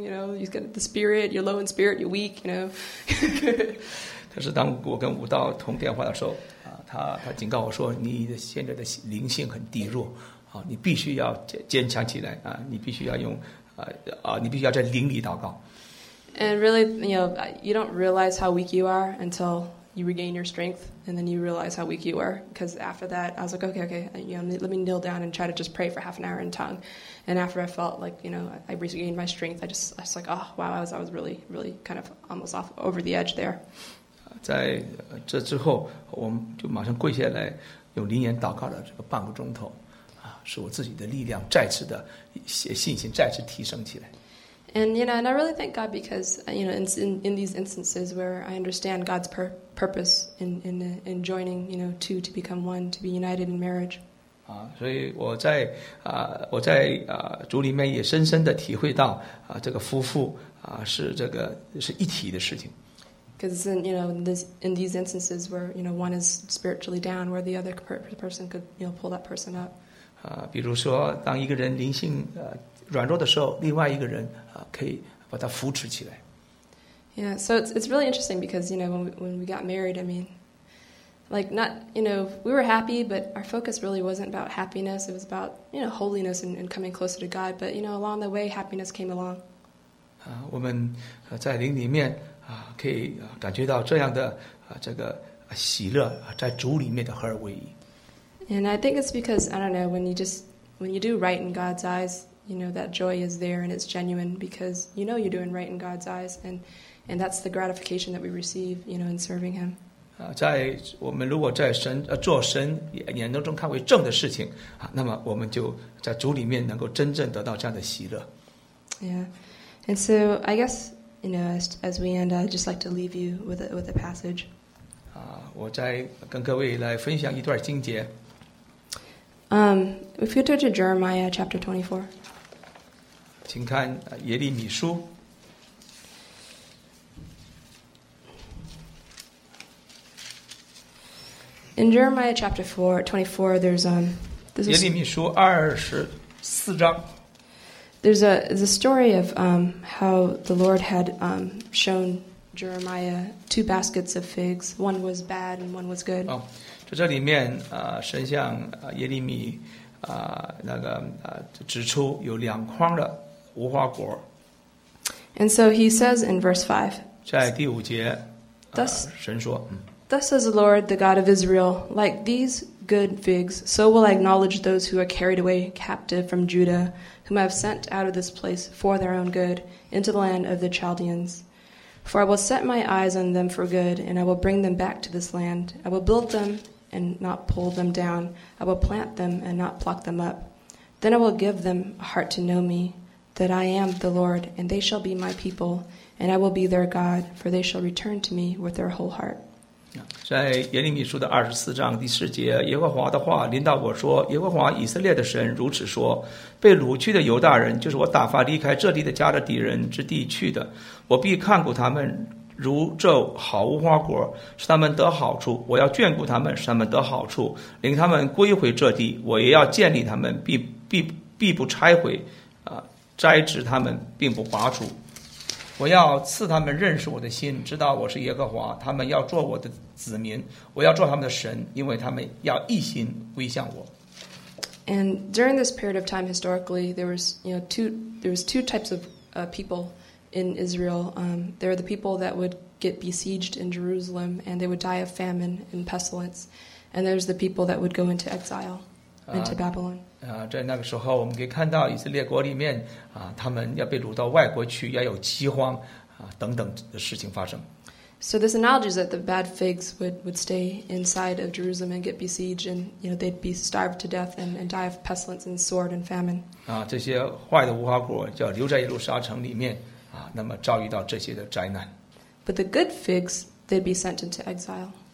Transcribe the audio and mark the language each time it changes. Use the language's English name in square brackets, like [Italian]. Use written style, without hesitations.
[English] You know, you've got the spirit. You're low in spirit. You're weak. You know. [Chinese] 可是当我跟武道通电话的时候，他警告我说，你现在的灵性很低弱，你必须要坚强起来啊，你必须要用。你必须要在灵里祷告。 [English] And really, you know, you don't realize how weak you are until you regain your strength, and then you realize how weak you are. Because after that, I was like, okay, you know, let me kneel down and try to just pray for half an hour in tongue. And after I felt like, you know, I regained my strength, I was like, oh wow, I was really, really kind of almost off over the edge there. [Chinese] 在这之后，我们就马上跪下来，用灵言祷告了这个半个钟头。使我自己的力量再次的信心再次提升起来。 [English] And you know, and I really thank God because you know, in these instances where I understand God's purpose in joining, you know, two to become one, to be united in marriage. [Chinese] 所以我在主里面也深深的体会到这个夫妇是这个是一体的事情。 [English] Because in, you know, in these instances where, you know, one is spiritually down, where the other person could, you know, pull that person up. [Chinese] 比如说当一个人灵性软弱的时候，另外一个人可以把他扶持起来。 [English] Yeah, so it's really interesting because, you know, when we got married, I mean, like not, you know, we were happy, but our focus really wasn't about happiness, it was about, you know, holiness and coming closer to God, but, you know, along the way, happiness came along. [Chinese] 我们在灵里面可以感觉到这样的这个喜乐在主里面的合而为一。 [English] And I think it's because, I don't know, when you do right in God's eyes, you know, that joy is there and it's genuine because you know you're doing right in God's eyes, and that's the gratification that we receive, you know, in serving Him. [Chinese] 在我们如果在神做神眼中看为正的事情那么我们就在主里面能够真正得到这样的喜乐。 [English] Yeah, and so I guess, you know, as we end, I'd just like to leave you with a passage. [Chinese] 我再跟各位来分享一段经节。 [English] If you turn to Jeremiah chapter 24, [Chinese] 请看耶利米书。 [English] In Jeremiah chapter 24, there's [Chinese] 耶利米书二十四章。 [English] There's a story of how the Lord had shown Jeremiah two baskets of figs. One was bad and one was good. Oh. [Chinese] 在这里面，神向耶利米那个指出有两筐的无花果。 [English] And so he says in verse 5. 在第五节，神说 Thus says the Lord, the God of Israel, like these good figs, so will I acknowledge those who are carried away captive from Judah, whom I have sent out of this place for their own good, into the land of the Chaldeans. For I will set my eyes on them for good, and I will bring them back to this land. I will build them and not pull them down. I will plant them and not pluck them up. Then I will give them a heart to know me, that I am the Lord, and they shall be my people, and I will be their God, for they shall return to me with their whole heart. [Chinese] 在耶利米书的24章第10节，耶和华的话临到我说，耶和华以色列的神如此说，被掳去的犹大人，就是我打发离开这里的加勒底人之地去的，我必看顾他们如这好无花果，使他们得好处，我要眷顾他们，使他们得好处，领他们归回这地，我也要建立他们，必不拆毁，栽植他们，并不拔除，我要赐他们认识我的心，知道我是耶和华，他们要做我的子民，我要做他们的神，因为他们要一心归向我。 [English] And during this period of time historically, there was, you know, two types of people in Israel. There are the people that would get besieged in Jerusalem and they would die of famine and pestilence. And there's the people that would go into exile into Babylon. [Chinese] 在那个时候我们可以看到以色列国里面他们要被掳到外国去，要有饥荒等等的事情发生。 [English] So this analogy is that the bad figs would stay inside of Jerusalem and get besieged, and you know, they'd be starved to death and die of pestilence and sword and famine. [Chinese] 这些坏的无花果就要留在耶路撒城里面那么遭遇到这些的灾难。 [English] But the good figs, they'd be sent into exile.